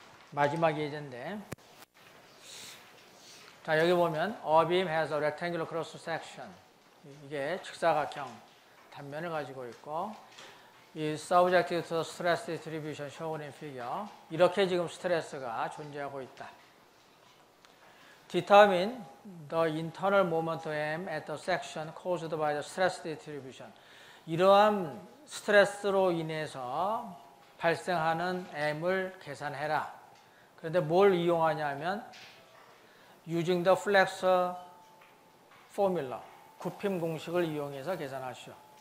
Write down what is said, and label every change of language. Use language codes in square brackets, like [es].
[ko] 마지막 예제인데 자 여기 보면 [en] A beam has a rectangular cross section [ko] 이게 직사각형 단면을 가지고 있고 [en] 이 subjective to stress distribution shown in figure. [ko] 이렇게 지금 스트레스가 존재하고 있다. [en] Determine the internal moment of M at the section caused by the stress distribution. [ko] 이러한 스트레스로 인해서 발생하는 M을 계산해라. 그런데 뭘 이용하냐면 [en] using the flexor formula, [ko] 굽힘 공식을 이용해서 계산하시오.